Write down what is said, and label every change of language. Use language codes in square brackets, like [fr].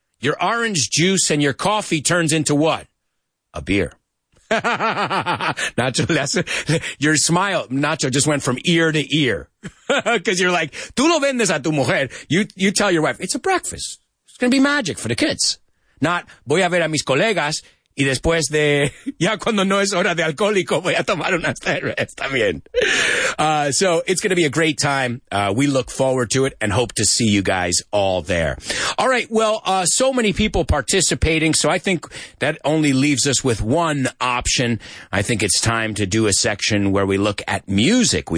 [en] Your orange juice and your coffee turns into what? A beer. Nacho, your smile, Nacho, just went from ear to ear. Cause you're like, [es] tú lo vendes a tu mujer. [en] You tell your wife, it's a breakfast. It's going to be magic for the kids. [es] Not, voy a ver a mis colegas. Y después de, ya cuando no es hora de alcohólico, voy a tomar una cerveza también. [en] So it's going to be a great time. We look forward to it and hope to see you guys all there. All right. Well, so many people participating. So I think that only leaves us with one option. I think it's time to do a section where we look at music.